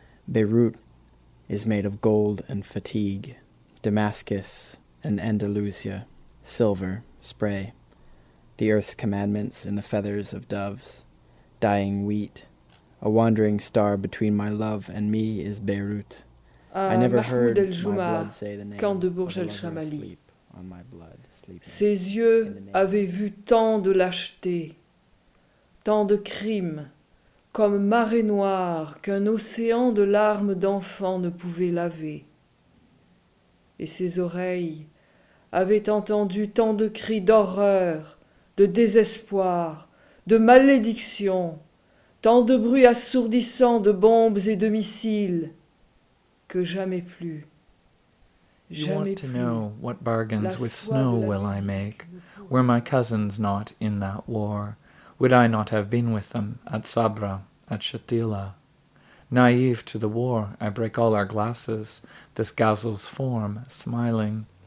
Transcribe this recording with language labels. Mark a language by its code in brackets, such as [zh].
[en] Beirut is made of gold and fatigue, Damascus and Andalusia, silver, spray, the earth's commandments in the feathers of doves, dying wheat, a wandering star between my love and me is Beirut. I never heard my blood say the name Camp de Bourj el-Chamali. [fr] Ses yeux avaient vu tant de lâcheté, tant de crimes, comme marée noire qu'un océan de larmes d'enfants ne pouvait laver. Et ses oreilles avaient entendu tant de cris d'horreur, de désespoir, de malédiction, tant de bruits assourdissants de bombes et de missiles, que jamais plus. [en] You want to know what bargains with snow will I make? Were my cousins not in that war, would I not have been with them at Sabra, at Shatila? Naive to the war, I break all our glasses, this gazelle's form, smiling.